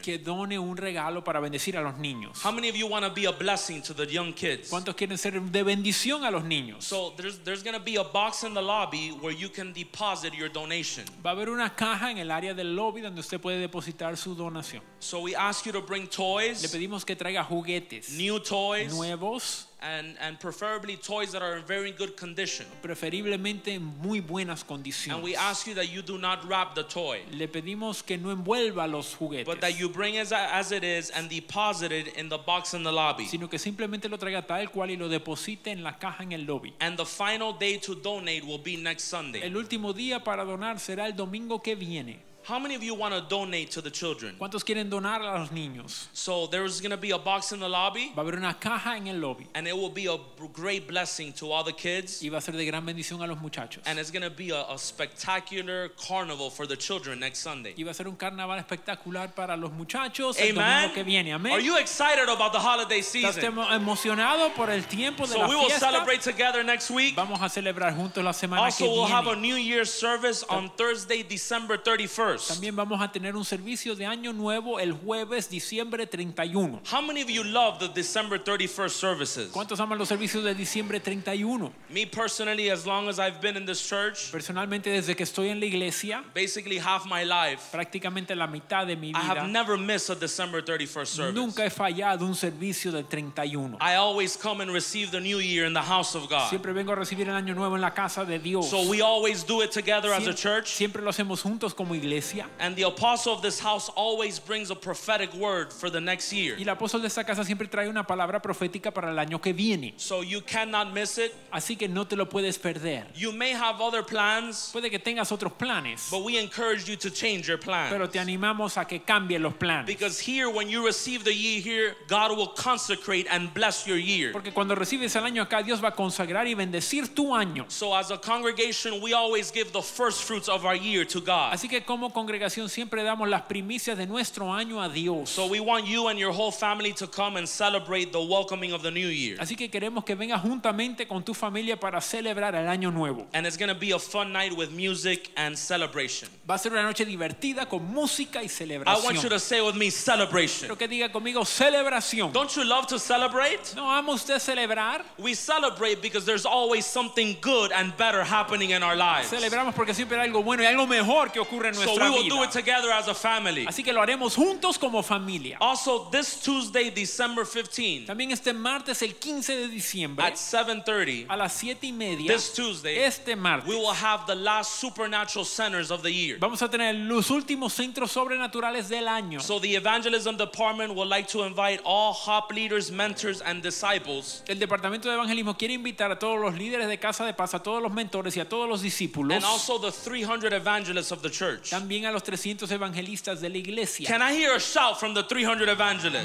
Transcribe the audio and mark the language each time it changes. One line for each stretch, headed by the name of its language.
Spanish: Que done un regalo para bendecir a los niños.
English: How many of you want to be a blessing to the young kids?
Spanish: ¿Cuántos quieren ser de bendición a los niños?
English: So there's going to be a box in the lobby where you can deposit your donation.
Spanish: Va a haber una caja en el área del lobby donde usted puede depositar su donación.
English: So we ask you to bring toys.
Spanish: Le pedimos que traiga juguetes.
English: New toys.
Spanish: Nuevos.
English: And preferably toys that are in very good condition.
Spanish: Preferiblemente muy buenas condiciones.
English: And we ask you that you do not wrap the toy.
Spanish: Le pedimos que no envuelva los juguetes.
English: But that you bring it as it is and deposit it in the box in the lobby.
Spanish: Sino que simplemente lo traiga tal cual y lo deposite en la caja en el lobby.
English: And the final day to donate will be next Sunday.
Spanish: El último día para donar será el domingo que viene.
English: How many of you want to donate to the children?
Spanish: ¿Cuántos quieren donar a los niños?
English: So there's going to be a box in the lobby.
Spanish: Va a haber una caja en el lobby.
English: And it will be a great blessing to all the kids.
Spanish: Y va a ser de gran bendición a los muchachos.
English: And it's going to be a spectacular carnival for the children next Sunday.
Spanish: Y va a ser un carnaval espectacular para los muchachos el domingo que viene.
English: Amen. Are you excited about the holiday season?
Spanish: ¿Estás emocionado por el tiempo de la fiesta?
English: So we will celebrate together next week.
Spanish: Vamos a celebrar juntos la semana
English: also,
Spanish: que viene.
English: Also, we'll have a New Year's service on Thursday, December 31st.
Spanish: También vamos a tener un servicio de año nuevo el jueves diciembre 31.
English: How many of you love the December 31st services?
Spanish: ¿Cuántos aman los servicios de diciembre 31?
English: Me personally, as long as I've been in this church,
Spanish: personalmente desde que estoy en la iglesia,
English: basically half my life,
Spanish: prácticamente la mitad de mi vida,
English: I have never missed a December 31st service.
Spanish: Nunca he fallado un servicio de 31.
English: I always come and receive the new year in the house of God.
Spanish: Siempre vengo a recibir el año nuevo en la casa de Dios.
English: So we always do it together as a church.
Spanish: Siempre lo hacemos juntos como iglesia.
English: And the apostle of this house always brings a prophetic word for the next year.
Spanish: Y el apóstol de esta casa siempre trae una palabra profética para el año que viene.
English: So you cannot miss it.
Spanish: Así que no te lo puedes perder.
English: You may have other plans.
Spanish: Puede que tengas otros planes.
English: But we encourage you to change your plans.
Spanish: Pero te animamos a que cambie los planes.
English: Because here, when you receive the year here, God will consecrate and bless your year.
Spanish: Porque cuando recibes el año acá, Dios va a consagrar y bendecir tu año.
English: So as a congregation, we always give the first fruits of our year to God.
Spanish: Así que como congregación siempre damos las primicias de nuestro año a Dios.
English: So we want you and your whole family to come and celebrate the welcoming of the new year.
Spanish: Así que queremos que vengas juntamente con tu familia para celebrar el año nuevo.
English: And it's going to be a fun night with music and celebration.
Spanish: Va a ser una noche divertida con música y celebración.
English: I want you to say with me celebration.
Spanish: Quiero que diga conmigo celebración.
English: Don't you love to celebrate?
Spanish: ¿No ama usted celebrar?
English: We celebrate because there's always something good and better happening in our lives.
Spanish: Celebramos porque siempre hay algo bueno y algo mejor que ocurre en nuestra vida.
English: So we will do it together as a family.
Spanish: Así que lo haremos juntos como familia.
English: Also this Tuesday, December 15.
Spanish: También este martes el 15 de diciembre.
English: At 7:30.
Spanish: A las 7:30.
English: This Tuesday.
Spanish: Este martes.
English: We will have the last supernatural centers of the year.
Spanish: Vamos a tener los últimos centros sobrenaturales del año.
English: So the evangelism department would like to invite all HOP leaders, mentors and disciples.
Spanish: El departamento de evangelismo quiere invitar a todos los líderes de Casa de Paz, a todos los mentores y a todos los discípulos.
English: And also the 300 evangelists of the church.
Spanish: También a los 300 evangelistas de la iglesia.
English: Can I hear a shout from the 300 evangelists?